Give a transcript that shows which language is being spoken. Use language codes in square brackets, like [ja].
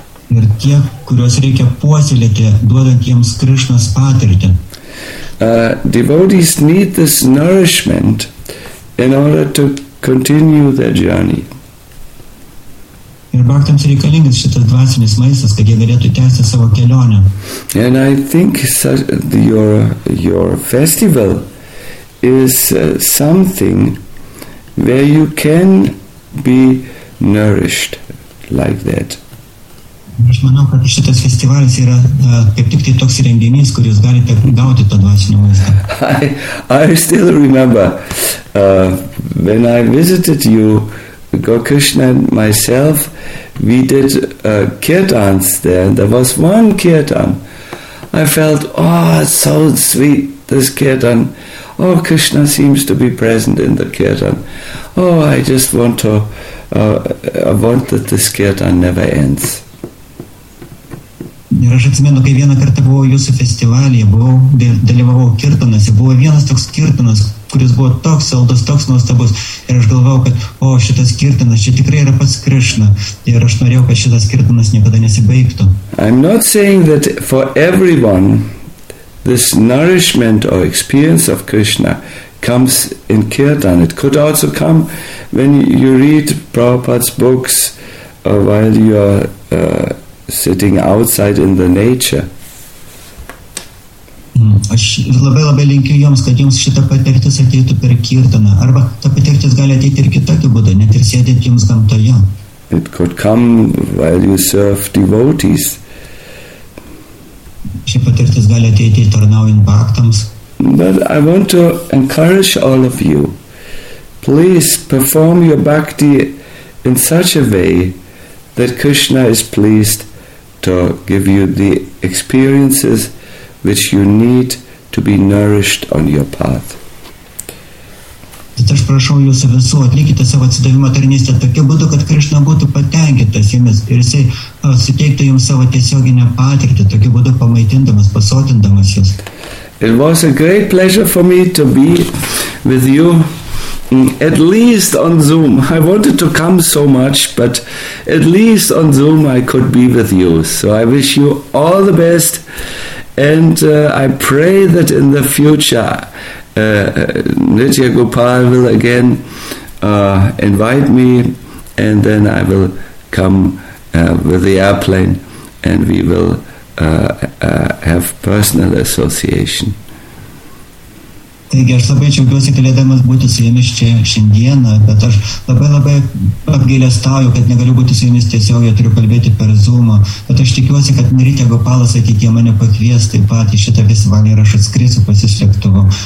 [lt] Ir tie, kuriuos reikia puoselėti, duodant jiems Krishnas patirtį. [en] Devotees need this nourishment in order to continue their journey. [lt] Ir bhaktams reikalingas šitas dvasinis maistas, kad jie galėtų tęsti savo kelionę. [en] And I think your festival is something where you can be nourished like that. [lt] Aš manau, kad šitas festivalis yra kaip tik tai toks renginys, kur jūs galite gauti tą dvasinį maistą. [en] I still remember when I visited you, Gokrishna and myself, we did kirtans there, and there was one kirtan. I felt, oh, it's so sweet, this kirtan. Oh, Krishna seems to be present in the kirtan. Oh, I just want to, I want that this kirtan never ends. [lt] Ir aš atsimenu, kai vieną kartą buvo jūsų festivalyje, dalyvavau kirtanas, buvo vienas toks kirtanas, kuris buvo toks saldus, toks nuostabus, ir aš galvojau, kad, o, šitas kirtanas, čia tikrai yra pats Krishna, ir aš norėjau, kad šitas kirtanas niekada nesibaigtų. [en] I'm not saying that for everyone this nourishment or experience of Krishna comes in kirtan. It could also come when you read Prabhupada's books or while you are sitting outside in the nature. [lt] Aš labai labai linkiu jums, kad jums šita patirtis ateitų per kirtaną, arba ta patirtis gali ateiti ir kitokiu būdu, net ir sėdėti jums gamtoje. [en] It could come while you serve devotees. [lt] Ši patirtis gali ateiti tarnaujant bhaktams. [en] But I want to encourage all of you, please perform your bhakti in such a way that Krishna is pleased to give you the experiences which you need to be nourished on your path. [lt] Tad aš prašau jūsų visų, atlikite savo atsidavimą tarnystę tokiu būdu, kad Krishna būtų patenkintas jumis ir jisai suteiktų jums savo tiesioginę patirtį, tokiu būdu pamaitindamas, pasotindamas jūs. [en] It was a great pleasure for me to be with you. At least on Zoom. I wanted to come so much, but at least on Zoom I could be with you. So I wish you all the best, and I pray that in the future Nitya Gopal will again invite me, and then I will come with the airplane, and we will have personal association. [lt] Taigi, aš labai džiaugiuosi galėdamas būti su jumis čia šiandieną, bet aš labai labai apgailestauju, kad negaliu būti su jumis tiesiog, jau turiu kalbėti per Zoom'o, bet aš tikiuosi, kad Nirita Gopalas ateityje mane pakvies taip pat į šitą festivalį ir aš atskrisiu pasislėktuvu.